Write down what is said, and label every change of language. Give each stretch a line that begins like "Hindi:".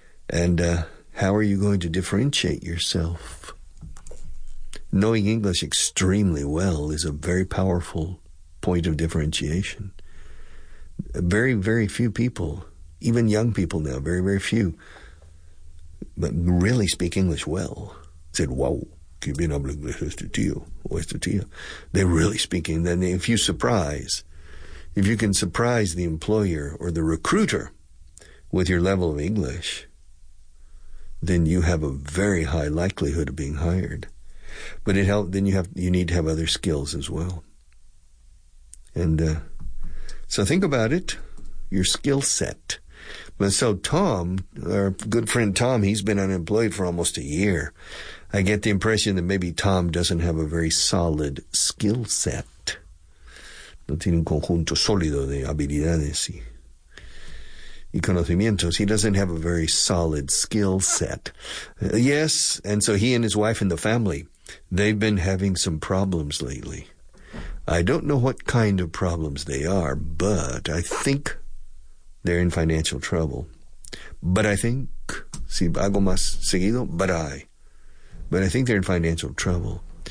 English: And how are you going to differentiate yourself? Knowing English extremely well is a very powerful point of differentiation. Very, very few people, even young people now, very, very few, but really speak English well.
Spanish: Said, wow, que bien hablo inglés este tío o esta tía.
English: They're really speaking. Then if you can surprise the employer or the recruiter with your level of English, then you have a very high likelihood of being hired. But it helped. Then you need to have other skills as well. And so think about it, your skill set. But so Tom, our good friend Tom, he's been unemployed for almost a year. I get the impression that maybe Tom doesn't have a very solid skill set.
Spanish: No tiene un conjunto sólido de habilidades y conocimientos.
English: He doesn't have a very solid skill set. Yes, and so he and his wife and the family, they've been having some problems lately. I don't know what kind of problems they are, but I think they're in financial trouble. But I think, si hago más seguido, but I think they're in financial trouble.